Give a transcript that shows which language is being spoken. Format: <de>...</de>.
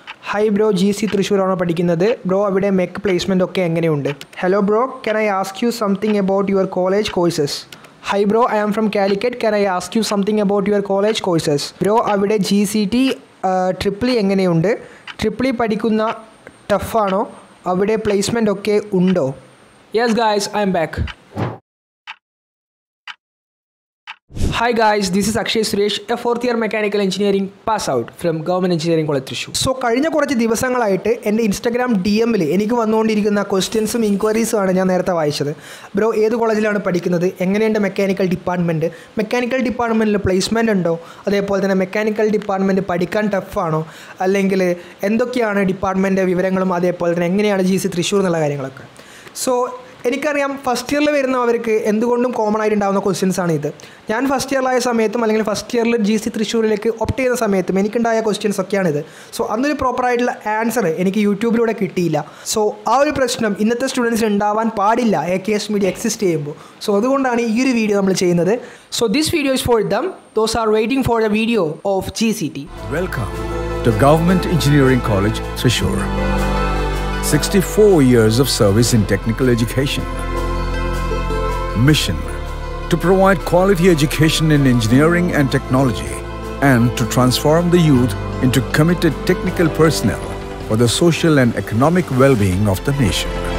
<en>Hi bro,</en> <ml>GEC Thrissur ആണ് പഠിക്കുന്നത്. Bro, അവിടെ മെക്ക് പ്ലേസ്മെന്റ് ഒക്കെ എങ്ങനെയുണ്ട്?</ml> <en>Hello bro, can I ask you something about your college courses? Hi bro, I am from Calicut. Can I ask you something about your college courses?</en> <ml>Bro, അവിടെ GECT ട്രിപ്ലി എങ്ങനെയുണ്ട്? ട്രിപ്ലി പഠിക്കുന്ന tough ആണോ? അവിടെ placement ഒക്കെ ഉണ്ടോ?</ml> <en>Yes guys, I am back. Hi guys, this is Akshay Suresh, a fourth year mechanical engineering pass out from Government Engineering Thrissur.</en> <ml>So, കഴിഞ്ഞ കുറച്ച് ദിവസങ്ങളായിട്ട് എൻ്റെ ഇൻസ്റ്റാഗ്രാം ഡി എമ്മിൽ എനിക്ക് വന്നുകൊണ്ടിരിക്കുന്ന ക്വസ്റ്റ്യൻസും ഇൻക്വയറീസും ആണ് ഞാൻ നേരത്തെ വായിച്ചത്. ബ്രോ, ഏത് കോളേജിലാണ് പഠിക്കുന്നത്? എങ്ങനെയുണ്ട് മെക്കാനിക്കൽ ഡിപ്പാർട്ട്മെൻറ്റ്? മെക്കാനിക്കൽ ഡിപ്പാർട്ട്മെൻറ്റിൽ പ്ലേസ്മെൻറ്റ് ഉണ്ടോ? അതേപോലെ തന്നെ മെക്കാനിക്കൽ ഡിപ്പാർട്ട്മെൻറ്റ് പഠിക്കാൻ ടഫാണോ? അല്ലെങ്കിൽ എന്തൊക്കെയാണ് ഡിപ്പാർട്ട്മെൻറ്റിൻ്റെ വിവരങ്ങളും അതേപോലെ തന്നെ എങ്ങനെയാണ് GEC Thrissur എന്നുള്ള കാര്യങ്ങളൊക്കെ? സോ, എനിക്കറിയാം ഫസ്റ്റ് ഇയറിൽ വരുന്നവർക്ക് എന്തുകൊണ്ടും കോമൺ ആയിട്ടുണ്ടാകുന്ന ക്വസ്റ്റ്യൻസ് ആണ് ഇത്. ഞാൻ ഫസ്റ്റ് ഇയറിലായ സമയത്തും അല്ലെങ്കിൽ ഫസ്റ്റ് ഇയറിൽ GEC Thrissurലേക്ക് ഒപ്റ്റ് ചെയ്യുന്ന സമയത്തും എനിക്കുണ്ടായ ക്വസ്റ്റ്യൻസ് ഒക്കെയാണിത്. സോ, അന്നൊരു പ്രോപ്പറായിട്ടുള്ള ആൻസർ എനിക്ക് യൂട്യൂബിലൂടെ കിട്ടിയില്ല. സോ, ആ ഒരു പ്രശ്നം ഇന്നത്തെ സ്റ്റുഡൻസിന് ഉണ്ടാവാൻ പാടില്ല AKS മീഡിയ എക്സിസ്റ്റ് ചെയ്യുമ്പോൾ. സോ, അതുകൊണ്ടാണ് ഈ ഒരു വീഡിയോ നമ്മൾ ചെയ്യുന്നത്.</ml> <en>So, this video is for them those are waiting for the video of GECT. Welcome to government engineering college Thrissur. 64 years of service in technical education. Mission: to provide quality education in engineering and technology and to transform the youth into committed technical personnel for the social and economic well-being of the nation.</en>